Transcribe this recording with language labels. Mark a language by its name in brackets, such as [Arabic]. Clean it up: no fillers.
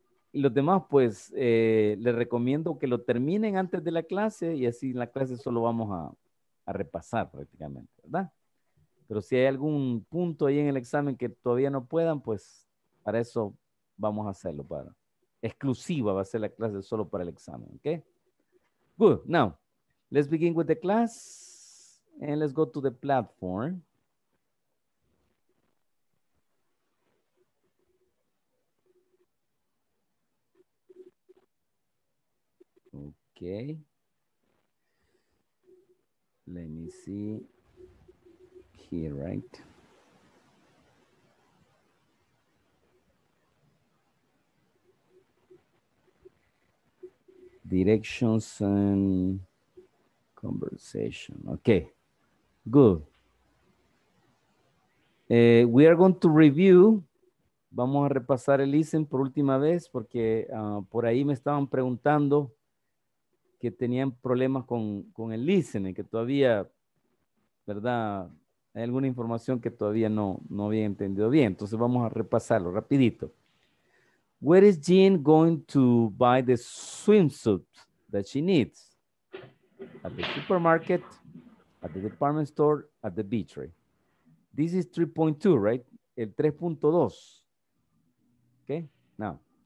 [Spanish] Y los demás, pues, le recomiendo que lo terminen antes de la clase y así en la clase solo vamos a repasar prácticamente, ¿verdad? Pero si hay algún punto ahí en el examen que todavía no puedan, pues para eso vamos a hacerlo, para exclusiva va a ser la clase solo para el examen, ¿ok? [English] Good, now, let's begin with the class and let's go to the platform. Ok. Let me see here, right? Directions and conversation. Okay, good. We are going to review. [Spanish] Vamos a repasar el listen por última vez porque por ahí me estaban preguntando que tenían problemas con el listening, que todavía, ¿verdad? Hay alguna información que todavía no había entendido bien. Entonces vamos a repasarlo rapidito. [English] Where is Jean going to buy the swimsuit that she needs? At the supermarket, at the department store, at the beach, right? This is 3.2, right? [Spanish] El 3.2. [English] Okay, now.